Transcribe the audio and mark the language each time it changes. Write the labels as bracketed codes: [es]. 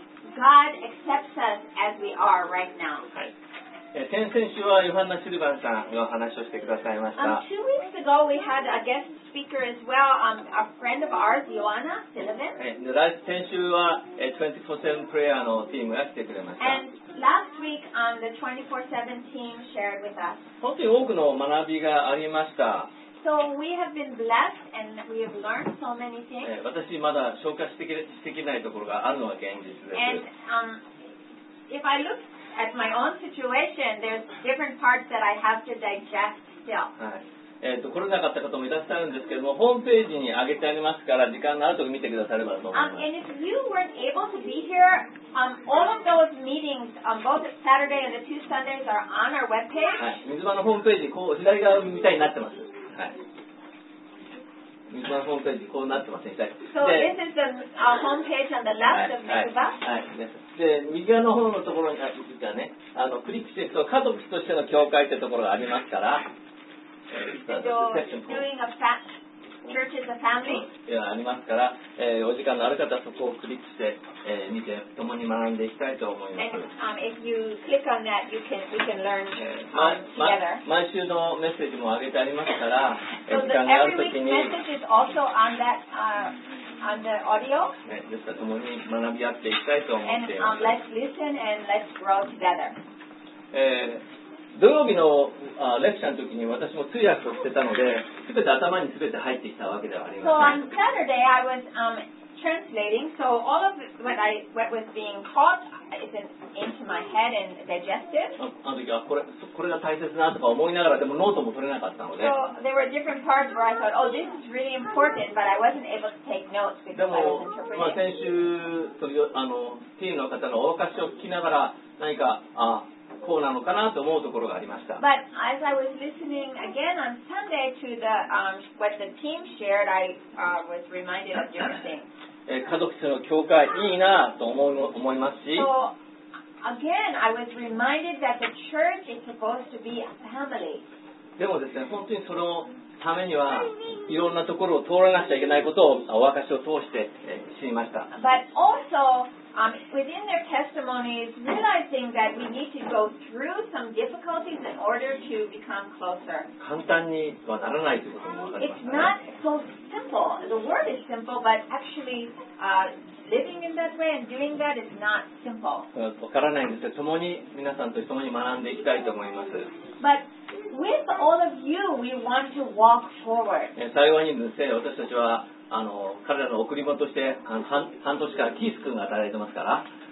[en] God accepts us as we are right now. [ja] はい。先々週はヨハンナ・シルバンさんの話をしてくださいました。 [en] Two weeks ago we had a guest speaker as well, a friend of ours, Joanna Sullivan. [ja] 先週は 24/7 プレイヤーのチームが来てくれました。 [en] And last week, the 24/7 team shared with us. [ja] 本当に多くの学びがありました。 [en] So we have been blessed and we have learned so many things. [ja] 私まだ消化してきないところがあるのは現実です。 [en] And if I look at my own situation, there's different parts that I have to digest still. [ja] はい。来れなかった方もいらっしゃるんですけども、ホームページに上げてありますから、時間のあるとき見てくださればと思います。 [en] And if you weren't able to be here, all of those meetings, both Saturday and the two Sundays are on our webpage. [ja] はい。水場のホームページ、こう左側みたいになってます。はい、水場のホームページこうなってますね。 [en] So this is the homepage on the left of [ja] Mizuba、はいはい、で右側の方のところに実はね、クリックしていくと家族としての教会というところがありますから。 [en] So doing a church is a family [ja] ではありますから、お時間のある方はそこをクリックして、見て共に学んでいきたいと思います。 [en] And, if you click on that, we can learn together. [ja] 毎週のメッセージも上げてありますから、時間があるときに。 [en] So every week's message is also on that, on the audio. [ja] ですから共に学び合っていきたいと思っています。 [en] And, let's listen and let's grow together. [ja] 土曜日のレクチャーの時に私も通訳をしてたので、すべて頭にすべて入ってきたわけではありません。 [en] So on Saturday I was translating, so all of what was being caught is into my head and digested. [ja] あの時はこれが大切なとか思いながらでもノートも取れなかったので。 [en] So there were different parts where I thought, oh, this is really important, but I wasn't able to take notes because I was interpreting. [ja] でも、まあ、先週、ティーンの方のお話を聞きながら何か、こうなのかなと思うところがありました。 [en] But as I was listening again on Sunday to the, what the team shared, I, was reminded of your thing. [ja] 家族との教会いいなと思いますし。 [en] So, again, I was reminded that the church is supposed to be a family. [ja] でもですね、本当にそのためにはいろんなところを通らなくちゃいけないことをお証しを通して知りました。 [en] But also, within their testimonies, realizing that we need to go through some difficulties in order to become closer. [ja] 簡単にはならないということも分かりました、ね。 [en] It's not so simple. The word is simple, but actually, living in that way and doing that is not simple. [ja] 分からないんですが、共に皆さんと共に学んでいきたいと思います。 [en] But with all of you, we want to walk forward. [ja] 幸いにですね、私たちは彼らの贈り物として 半年からキース君が与えられてますから。